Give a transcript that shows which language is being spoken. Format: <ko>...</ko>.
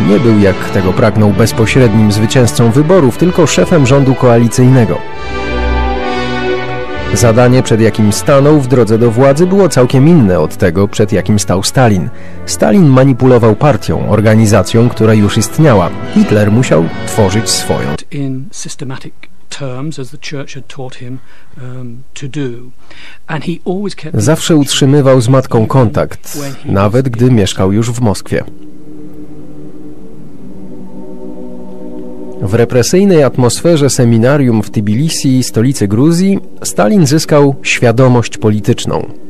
<pl>Nie był, jak tego pragnął, bezpośrednim zwycięzcą wyborów, tylko szefem rządu koalicyjnego. Zadanie, przed jakim stanął w drodze do władzy, było całkiem inne od tego, przed jakim stał Stalin. Stalin manipulował partią, organizacją, która już istniała. Hitler musiał tworzyć swoją.</pl> <en>In systematic terms, as the church had taught him to do.</en> <pl>Zawsze utrzymywał z matką kontakt, nawet gdy mieszkał już w Moskwie. W represyjnej atmosferze seminarium w Tbilisi, stolicy Gruzji, Stalin zyskał świadomość polityczną.</pl>